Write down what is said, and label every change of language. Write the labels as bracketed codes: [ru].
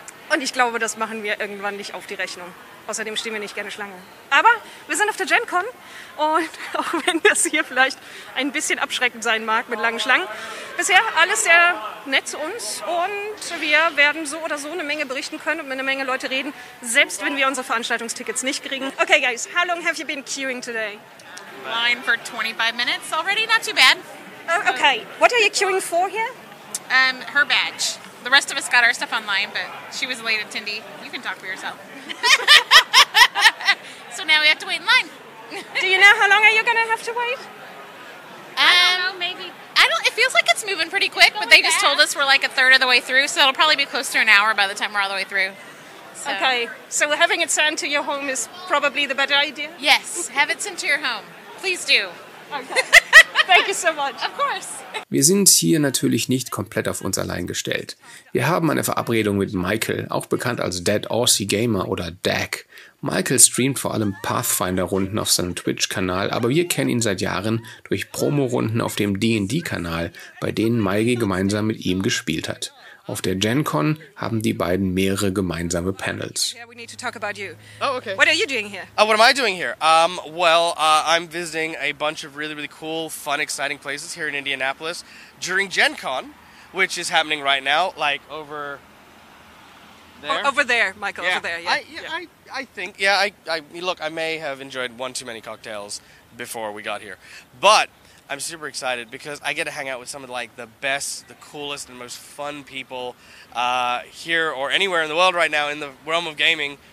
[de] Und ich glaube, das machen wir irgendwann nicht auf die Rechnung. Außerdem stehen wir nicht gerne Schlange. Aber wir sind auf der GenCon und auch wenn das hier vielleicht ein bisschen abschreckend sein mag mit langen Schlangen, bisher alles sehr nett zu uns und wir werden so oder so eine Menge berichten können und mit einer Menge Leute reden, selbst wenn wir unsere Veranstaltungstickets nicht kriegen. [en] Okay, guys, how long have you been queuing today? Line for 25 minutes already, not too bad. Okay, what are you queuing for here? Her badge. The rest of us got our stuff online, but she was a late attendee. You can talk for yourself. So now we have to wait in line. Do you know how long are you going to have to wait? I don't know, maybe. It feels like it's moving pretty quick, but they just told us we're like a third of the way through, so it'll probably be close to an hour by the time we're all the way through. So. Okay, so having it sent to your home is probably the better idea? Yes, have it sent to your home. Please do. Okay. Thank you so much. Of course. [de] Wir sind hier natürlich nicht komplett auf uns allein gestellt. Wir haben eine Verabredung mit Michael, auch bekannt als Dead Aussie Gamer oder Dag. Michael streamt vor allem Pathfinder-Runden auf seinem Twitch-Kanal, aber wir kennen ihn seit Jahren durch Promo-Runden auf dem D&D-Kanal, bei denen Maigi gemeinsam mit ihm gespielt hat. Auf der Gen Con haben die beiden mehrere gemeinsame Panels. [en] Yeah, we need to talk about you. Oh, okay. What are you doing here? What am I doing here? I'm visiting a bunch of really, really cool, fun, exciting places here in Indianapolis during Gen Con, which is happening right now, like over there. Over there, Michael, yeah. Over there, yeah. I think, I may have enjoyed one too many cocktails before we got here, but I'm super excited because I get to hang out with some of like the best, the coolest, and most fun people here or anywhere in the world right now in the realm of gaming.